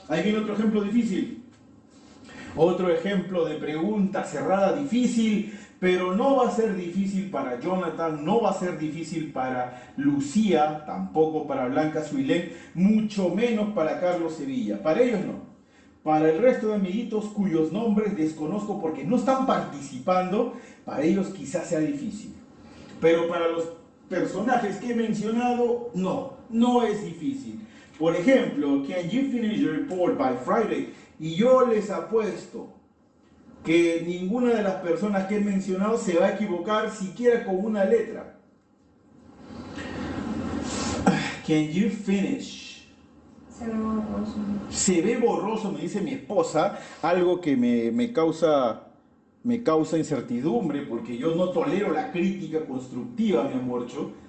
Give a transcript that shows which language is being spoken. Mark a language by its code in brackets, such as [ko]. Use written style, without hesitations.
[es] Ahí viene otro ejemplo difícil. Otro ejemplo de pregunta cerrada difícil, pero no va a ser difícil para Jonathan, no va a ser difícil para Lucía, tampoco para Blanca Suilén, mucho menos para Carlos Sevilla. Para ellos no. Para el resto de amiguitos cuyos nombres desconozco porque no están participando, para ellos quizás sea difícil. Pero para los personajes que he mencionado, no, no es difícil. Por ejemplo, [en] can you finish your report by Friday? [es] Y yo les apuesto que ninguna de las personas que he mencionado se va a equivocar siquiera con una letra. [en] Can you finish? [es] Se ve borroso. Se ve borroso, me dice mi esposa, algo que me causa incertidumbre porque yo no tolero la crítica constructiva, mi amorcho.